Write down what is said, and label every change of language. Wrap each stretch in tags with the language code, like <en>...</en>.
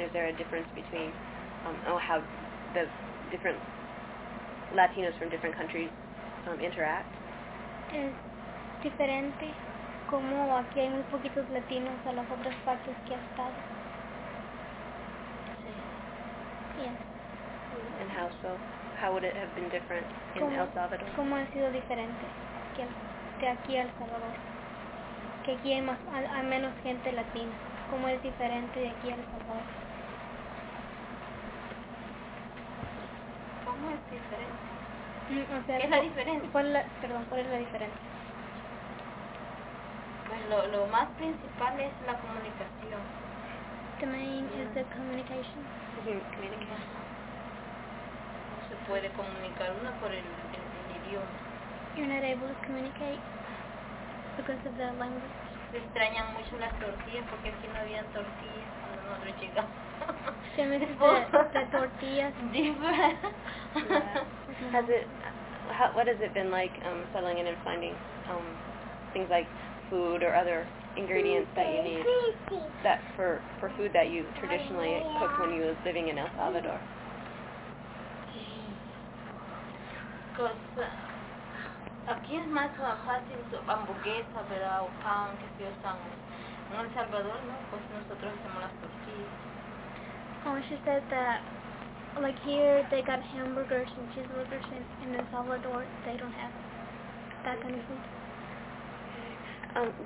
<en>Is there a difference between how the different Latinos from different countries interact?</en> <es>Es diferente, como aquí hay muy poquitos latinos a las otras partes que ha estado. Sí.</es> <en>Yes. And how so? How would it have been different in El Salvador?</en> <es>¿Cómo ha sido diferente que de aquí a El Salvador? Que aquí hay más, hay menos gente latina. ¿Cómo es diferente de aquí a El Salvador? ¿Cómo es diferente? O sea, ¿qué es la diferencia? ¿Cuál es la diferencia? Pues lo más principal es la comunicación.</es> <en>The main is the communication.</en> <es>No se puede comunicar uno por el idioma.</es> <en>You're not able to communicate because of the language.</en> <es>Se extrañan mucho las tortillas porque aquí no habían tortillas cuando nosotros llegamos. Se me dice tortillas.</es> <en>Has it, what has it been like settling in and finding things like food or other ingredients that you need that for food that you traditionally cooked when you was living in El Salvador?</en> <es>Aquí es más fácil hamburguesa, verdad, o pan, que si usamos. En El Salvador, no, pues nosotros hacemos las tortillas.</es> <en>Oh, she said that. Like here, they got hamburgers and cheeseburgers, and in El Salvador, they don't have that kind of food.</en>